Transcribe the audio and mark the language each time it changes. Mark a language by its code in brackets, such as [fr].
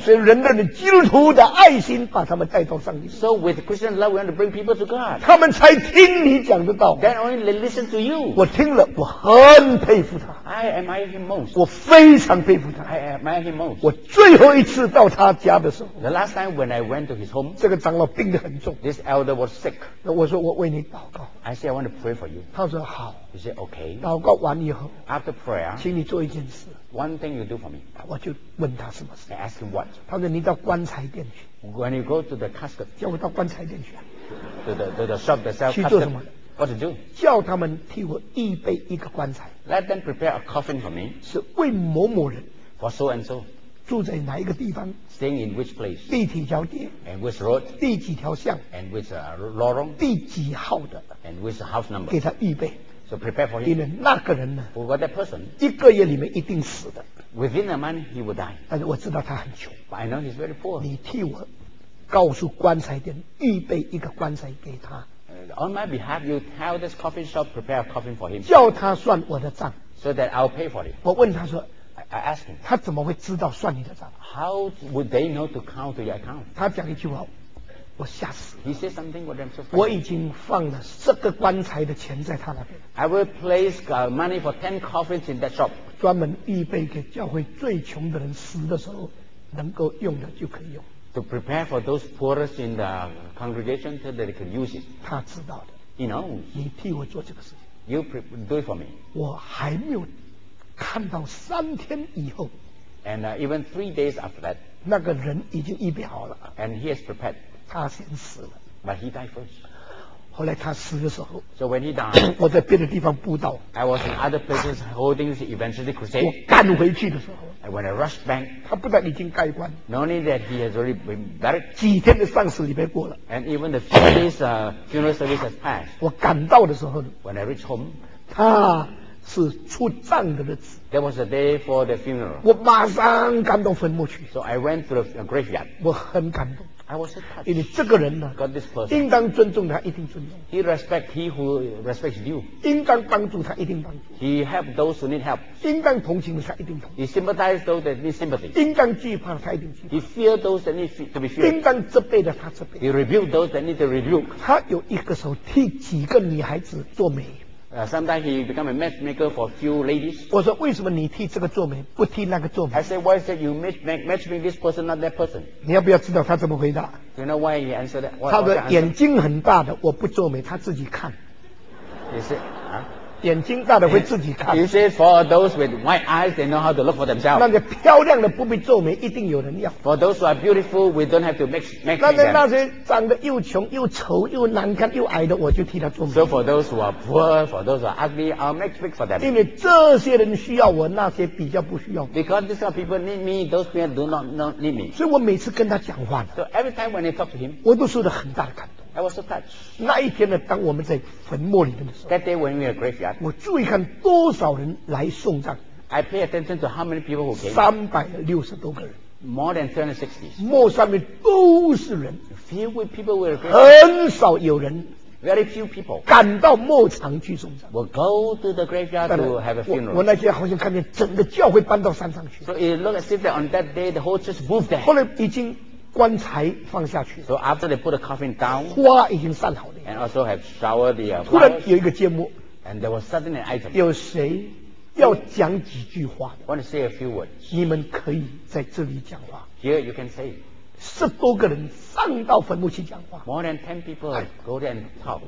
[zh] 所以人类的基督徒的爱心把他们带到上帝， [en] So with Christian love we want to bring people to God。 [zh] 他们才听你讲的道， [en] Then only they listen to you。 [zh] 我听了我很佩服他， [en] I admire him most。 [zh] 我非常佩服他， [en] I admire him most。 [zh] 我最后一次到他家的时候， [en] The last time when I went to his home， [zh] 这个长老病得很重， [en] This elder was sick。 [zh] 那我说我为你祷告， [en] I say I want to pray for you。 [zh] 他说好， [en] He said OK。 [zh] 祷告完以后， [en] After prayer， [zh] 请你做一件事， [en] One thing you do for me。 [zh] 我就问他什么事， [en] I ask him what。 [zh] 他说你到棺材店去， [en] When you go to the casket， [zh] 叫我到棺材店去， [en] To the shop that sells casket， [zh] 去做什么？ [en] What to do？ [zh] 叫他们替我预备一个棺材， [en] Let them prepare a coffin for me， [zh] 是为某某人， [en] For so and so， [zh] 住在哪一个地方， [en] Staying in which place， [zh] 第几条街， [en] And which road， [zh] 第几条巷， [en] And which lorong， [zh] 第几号的， [en] And which house number， [zh] 给他预备。 [en] So prepare for him。 [zh] 那个人呢， [en] For that person， [zh] 一个月里面一定死的， [en] Within a month he will die。 [zh] 但是我知道他很穷， [en] But I know he's very poor。 [zh] 你替我告诉棺材店预备一个棺材给他， [en] On my behalf you tell this coffin shop prepare a coffin for him， [zh] 叫他算我的账， [en] So that I'll pay for it。 [zh] 我问他说， [en] I ask him， [zh] 他怎么会知道算你的账， [en] How would they know to count to your account？ [zh] 他讲一句话我吓死了， [en] He said something with them so funny。 [zh] 我已经放了十个棺材的钱在他那边， [en] I will place money for 10 coffins in that shop， [zh] 专门预备给教会最穷的人死的时候能够用的就可以用， [en] To prepare for those poorest in the congregation so that they can use it。 [zh] 他知道的， [en] He knows。 [zh] 你替我做这个事情， [en] You do it for me。 [zh] 我还没有看到三天以后， [en] And even 3 days after that, [zh] 那个人已经预备好了。 [en] And he is prepared. [zh] 他先死了。 [en] But he died first. [zh] 后来他死的时候 [en] ，So when he died, [zh] 我在别的地方布道。 [en] I was in other places holding the evangelistic crusade. [zh] 我赶回去的时候 [en] ，And when I rushed back, [zh] 他不但已经盖棺 [en] ，Not only that he has already been buried. [zh] 几天的丧事礼拜过了 [en] ，And even the few days funeral service has passed. [zh] 我赶到的时候 [en] ，When I reached home, [zh] 他。是出葬的日子。 [en] That was the day for the funeral. [zh] 我马上赶到坟墓去。 [en] So I went to the graveyard. [zh] 我很感动。 [en] I was touched. [zh] 因为这个人呢 [en] ，Got this person. [zh] 应当尊重他，一定尊重。 [en] He respect he who respects you. [zh] 应当帮助他，一定帮助。 [en] He help those who need help. [zh] 应当同情他，一定同情。 [en] He sympathize those that need sympathy. [zh] 应当惧怕他，一定惧怕。 [en] He fear those that need to be feared. [zh] 应当责备的，他责备。 [en] He rebuke those that need to rebuke. [zh] 他有一个手替几个女孩子做媒。 [en] Sometimes he become a matchmaker for a few ladies. [zh] 我说为什么你替这个做媒，不替那个做媒 [en] ？I said why is that you matchmaking this person not that person? [zh] 你要不要知道他怎么回答 [en] ？You know why he answered that? [zh] 他的眼睛很大的，我不做媒，他自己看。 [en] He said, [zh] 眼睛大的会自己看。 [en] He said for those with white eyes, they know how to look for themselves. [zh] 那些漂亮的不必做媒，一定有人要。 [en] For those who are beautiful, we don't have to make them. [zh] 那些长得又穷又丑又难看又矮的，我就替他做媒。 [en] So for those who are poor, for those who are ugly, I'll make fix for them. [zh] 因为这些人需要我，那些比较不需要。 [en] Because these are people need me, those people do not need me. [zh] 所以我每次跟他讲话呢。 [en] So every time when I talk to him, [zh] 我都受到很大的感动。 [en] I was so touched. [zh] 那一天呢，当我们在坟墓里面的时候 [en] ，That day when we were graveyard, [zh] 我注意看多少人来送葬。 [en] I pay attention to how many people who came. [zh] 360多个人。 [en] More than 360. [zh] 墓上面都是人。 [en] Filled with people who were graveyard. [zh] 很少有人。 [en] Very few people. [zh] 赶到墓场去送葬。 [en] We'll go to the graveyard to have a funeral. [zh] 我那天好像看见整个教会搬到山上去。 [en] So it looked as if that on that day the whole church moved there. [zh] 后来已经。棺材放下去 [en] ，So after they put the coffin down， [zh] 花已经散好了 [en] ，And also have showered the flowers。 [zh] 突然有一个节目 [en] ，And there was suddenly an item。 [zh] 有谁要讲几句话 [en] ？Want to say a few words？ [zh] 你们可以在这里讲话。 [en] Here you can say。 [zh] 十多个人上到坟墓去讲话。 [en] More than ten people go there and talk。